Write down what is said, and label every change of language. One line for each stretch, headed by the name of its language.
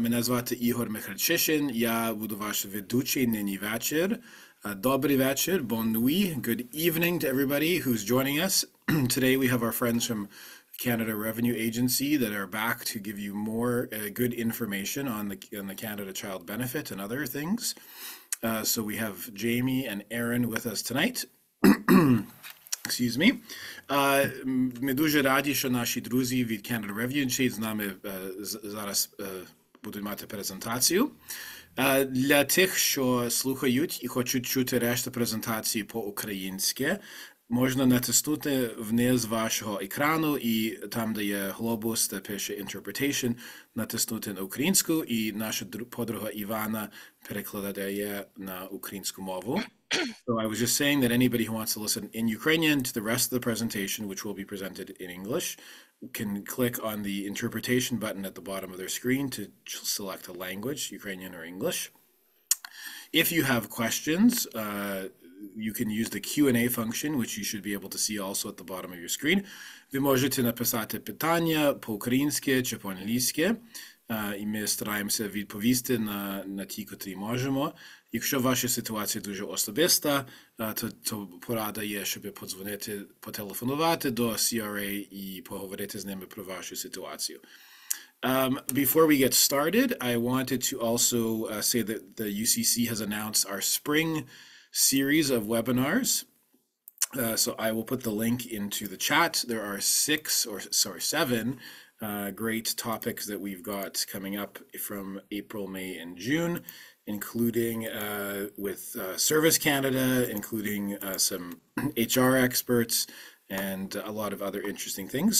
Ukrainian: Мене звати Ігор Михальчишин. Я буду ваш ведучий нині вечір. Добрий вечір,
French: bon nuit,
English: good evening to everybody who's joining us. Today we have our friends from Canada Revenue Agency that are back to give you more good information on the Canada Child Benefit and other things. So we have Jamie and Aaron with us tonight. Excuse me.
Ukrainian: Ми дуже раді, що наші друзі від Canada Revenue Agency з нами зараз будуть мати презентацію. Для тих, що слухають і хочуть чути решту презентації по-українськи, можна натиснути вниз вашого екрану і там, де є глобус, де пише interpretation, натиснути на українську, і наша подруга Івана перекладає на українську мову.
English: So I was just saying that anybody who wants to listen in Ukrainian to the rest of the presentation, which will be presented in English, can click on the interpretation button at the bottom of their screen to select a language, Ukrainian or English. If you have questions, you can use the Q&A function, which you should be able to see also at the bottom of your screen.
Ukrainian: Ви можете написати питання по-українськи чи по-англійськи, і ми стараємося відповісти на ті, котрі можемо. Якщо ваша ситуація дуже особиста, то порада є, щоб потелефонувати до CRA і поговорити з ними про вашу ситуацію.
English: Before we get started, I wanted to also say that the UCC has announced our spring series of webinars. So I will put the link into the chat. There are six or sorry, seven great topics that we've got coming up from April, May, and June, including with Service Canada, including some HR experts, and a lot of other interesting things.